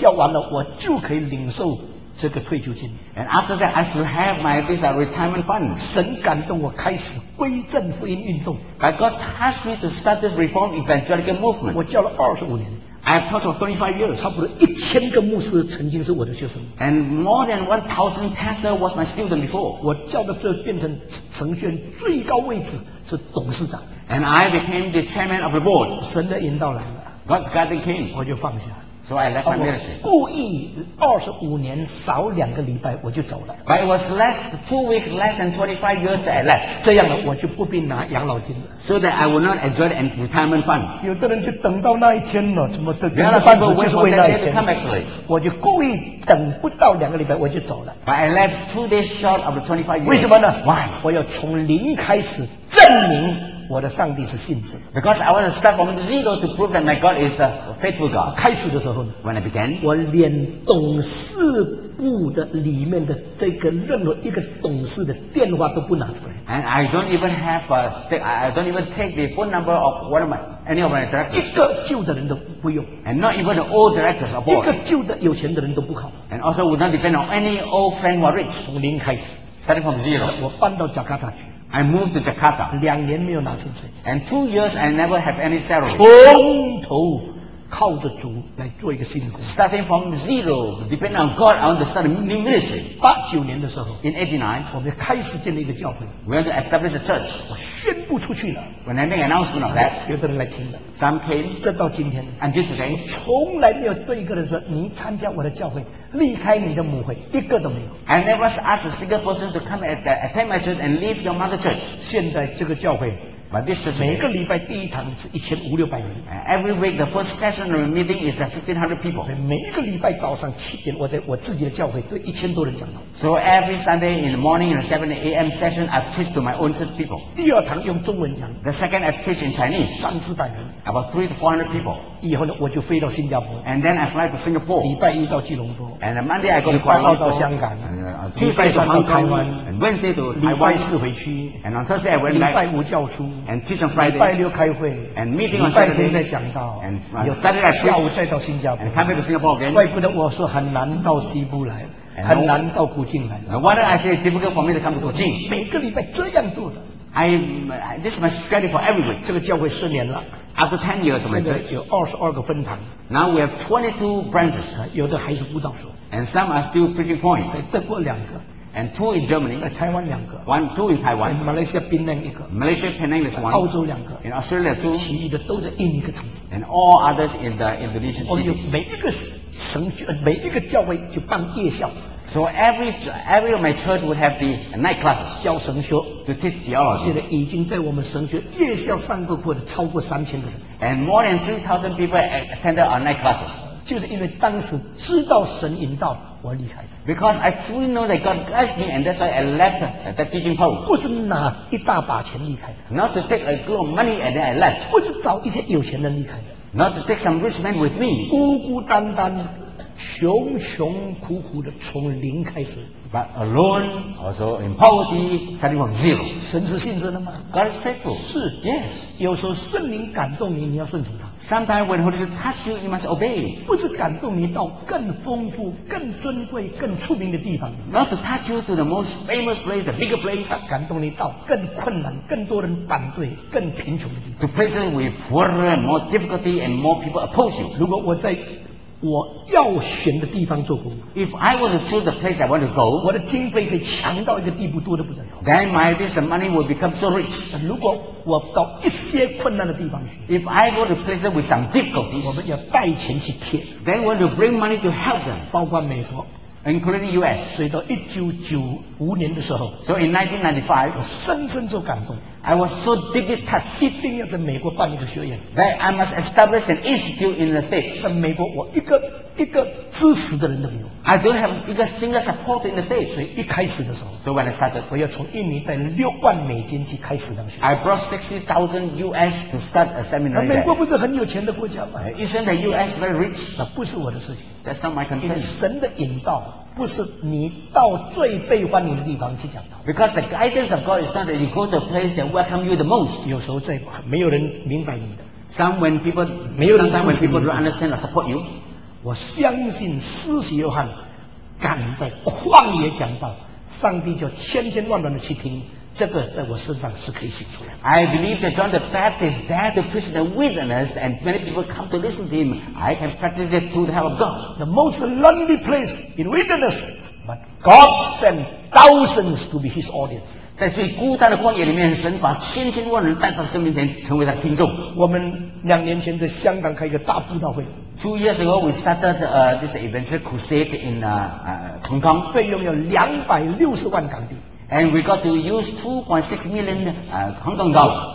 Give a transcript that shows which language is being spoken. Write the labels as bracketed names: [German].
[Chinese] 教完了我就可以领受这个退休金 [English] And after that I should have my visa retirement fund [Chinese] 神感动我开始归正福音运动 [English] But God asked me to start this reform evangelical movement [Chinese] 我教了25年 [English] I have taught for 25 years [Chinese] 差不多1000个牧师曾经是我的学生 [English] And more than 1000 pastors was my student before [Chinese] 我教的这变成神学院最高位置是董事长 [English] And I became the chairman of the board [Chinese] 神的引导来了 [English] God's guiding came. [Chinese] 我就放下。 [English] So I left my ministry. [Chinese] 故意25年少2个礼拜我就走了。 [English] But it was less two weeks less than 25 years that I left. [Chinese] 这样呢，我就不必拿养老金了。 [English] So that I will not enjoy the retirement fund. [Chinese] 有的人就等到那一天了，怎么这个办事就是为那一天 [English] actually, [Chinese] 我就故意等不到2个礼拜我就走了。 [English] But I left 2 days short of the 25 years. [Chinese] 为什么呢 [English] ？Why? [Chinese] 我要从零开始证明。我的上帝是信实的 [English] Because I want to start from zero to prove that my God is a faithful God. [Chinese] 开始的时候呢 [English] When I began, [Chinese] 我连董事部的里面的这个任何一个董事的电话都不拿出来。 [English] And I don't even have I don't even take the phone number of one of my any of my directors. [Chinese] 一个旧的人都不用。 [English] And not even the old directors aboard. [Chinese] 一个旧的有钱的人都不好。 [English] And also would not depend on any old friend who are rich. [Chinese] 从零开始 [English] ，starting from zero. [Chinese] 我搬到 Jakarta 去。 [English] I moved to Jakarta. [Chinese] 2年没有拿薪水。 [English] And 2 years I never have any salary. [Chinese] 从头靠着主来做一个新工。 [English] Starting from zero, depending on God, I want to start a new ministry. [Chinese] 89年的时候 [English] ，In 89, [Chinese] 我们开始建立一个教会。 [English] We want to establish a church. [Chinese] 我宣布出去了。 [English] When I make announcement of that, [Chinese] 有的人来听的。 [English] Some came. [Chinese] 直到今天。 [English] Until today, [Chinese] 我从来没有对一个人说你参加我的教会。离开你的母会，一个都没有。 [English] I never asked a single person to come at the attend my church and leave your mother church. [Chinese] 现在这个教会 [English] ，But this church [Chinese] 每个礼拜第一堂是1500人。 [English] Every week the first session of meeting is 1500 people. [Chinese] 每一个礼拜早上7点，我在我自己的教会对1000多人讲道。 [English] So every Sunday in the morning in the 7 a.m. session, I preach to my own church people. [Chinese] 第二堂用中文讲。 [English] The second I preach in Chinese. [Chinese] 300-400人。 [English] About 300-400 people. [Chinese] 以后呢，我就飞到新加坡。 [English] And then I fly to Singapore. [Chinese] 礼拜一到吉隆坡。 [English] And Monday I go to Kuala Lumpur, [Chinese] 到香港 [English] Tuesday to Hong Kong, and Wednesday to Taiwan, [Chinese] 礼拜四回去, [English] and on Thursday I went back, [Chinese] 礼拜五教书, [English] and teach on Friday, [Chinese] 礼拜六开会, [English] and meeting on Saturday, [Chinese] 礼拜天再讲道, [English] and Saturday I preach, [Chinese] 下午再到新加坡, [English] and come back to Singapore again. [Chinese] 怪不得我说很难到西部来, 很难到古晋来, [English] and why did I say it's difficult for me to come to 古晋? [Chinese] 每个礼拜这样做的, [English] this is my schedule for every week. [Chinese] 这个教会10年了。 [English] After 10 years, [Chinese] 现在有22个分堂。 [English] Now we have 22 branches. [Chinese] 有的还是布道所。 [English] And some are still preaching points. [Chinese] 在德国2个。 [English] And 2 in Germany. [Chinese] 在台湾2个。 [English] 2 in Taiwan. [Chinese] 在马来西亚槟城1个。 [English] Malaysia Penang is 1. [Chinese] 澳洲2个。 [English] In Australia 2. [Chinese] 其余的都在另一个城市。 [English] And all others in the Indonesian cities. [Chinese] 我们每一个神学每一个教会就办夜校。 [English] So every of my church would have the night classes [Chinese] 教神学 [English] to teach theology. [Chinese] 现在已经在我们神学夜校上过课的超过3000个人。 [English] And more than 3,000 people attended our night classes. [Chinese] 就是因为当时知道神引导我离开的。 [English] Because I truly know that God blessed me, and that's why I left that teaching post. [Chinese] 不是拿一大把钱离开的。 [English] Not to take a lot of money and then I left. [Chinese] 不是找一些有钱人离开的。 [English] Not to take some rich man with me. [Chinese] 孤孤单单。穷穷苦苦的从零开始 [English] ，but alone also in poverty starting from zero。 [Chinese] 神是信实的吗 [English] ？God is faithful。 [Chinese] 是 [English] ，yes。 [Chinese] 有时候圣灵感动你，你要顺从他。 [English] Sometimes when Holy Spirit touch you, you must obey。 [Chinese] 不是感动你到更丰富、更尊贵、更出名的地方。 [English] Not to touch you to the most famous place, the bigger place。 [Chinese] 感动你到更困难、更多人反对、更贫穷的地方。 [English] To places with poorer and more difficulty and more people oppose you。 [Chinese] 如果我在我要选的地方做工作。 [English] If I were to choose the place I want to go, [Chinese] 我的经费可以强到一个地步，多得不得了。 [English] Then my this money will become so rich. [Chinese] 如果我到一些困难的地方去 [English] ，If I go to places with some difficulties, [Chinese] 我们要带钱去贴。 [English] Then we want to bring money to help them, [Chinese] 包括美国。 [English] Including the U.S. [Chinese] 所以到1995年的时候 [English] ，So in 1995, [Chinese] 我深深受感动。 [English] I was so deeply touched. [Chinese] 一定要在美国办一个学院。 [English] That I must establish an institute in the states. [Chinese] 在美国，我一个支持的人都没有。 [English] I don't have [Chinese] 一个 [English] single support in the states. [Chinese] 所以一开始的时候 [English] ，So when I started, [Chinese] 我要从印尼带$60,000去开始那个学。 [English] I brought $60,000 to start a seminar. [Chinese] 那美国不是很有钱的国家吗 [English] ？Isn't the U.S. very rich? [Chinese] 那不是我的事情。 [English] That's not my concern. [Chinese] 神的引导不是你到最被欢迎的地方去讲道。 [English] Because the guidance of God is not that you go to the place that welcome you the most. [Chinese] 有时候在没有人明白你的。 [English] Some when people [Chinese] 没有人 [English] ，Sometimes when people don't understand or support you. [Chinese] 我相信施洗约翰敢在旷野讲道，上帝就千千万万的去听。这个在我身上是可以写出来的。 [English] I believe that John the Baptist dared to preach the wilderness, and many people come to listen to him. I can practice it through the help of God. The most lonely place in wilderness, but God sent thousands to be His audience. [Chinese] 在最孤单的旷野里面，神把千千万人带到神面前，成为他的听众。我们两年前在香港开一个大布道会。 [English] 2 years ago, we started this evangelical crusade in Hong Kong. [Chinese] 费用要260万港币。 [English] And we got to use 2.6 million Hong Kong dollars.